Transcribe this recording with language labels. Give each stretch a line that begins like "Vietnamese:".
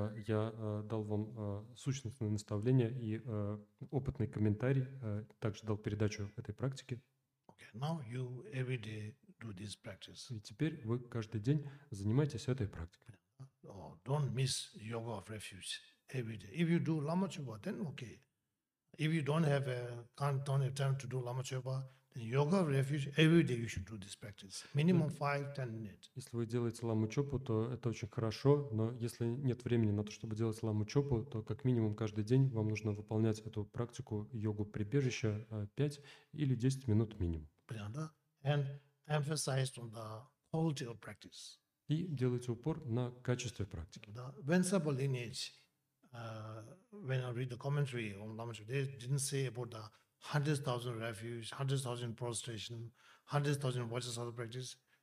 Russian: Я дал вам сущностное наставление и опытный комментарий. Также дал передачу этой практики.
English: Okay, now you every day do this practice.
Russian: И теперь вы каждый день занимаетесь этой практикой.
English: Oh, don't miss yoga of refuge every day. If you do Lama Chöpa, then okay. If you don't have a time to do Lama Chöpa, then yoga refuge every day you should do this practice. Minimum 5-10 minutes.
Russian: Если вы делаете Лама Чопу, то это очень хорошо, но если нет времени на то, чтобы делать Лама Чопу, то как минимум каждый день вам нужно выполнять эту практику йогу прибежища 5 или 10 минут минимум.
English: And emphasize on the quality of practice.
Russian: И делайте упор на качестве практики.
English: When I read the commentary on Lama Chöpa, they didn't say about the 100,000 refuge, 100,000 prostration, 100,000 vajrasattva practice.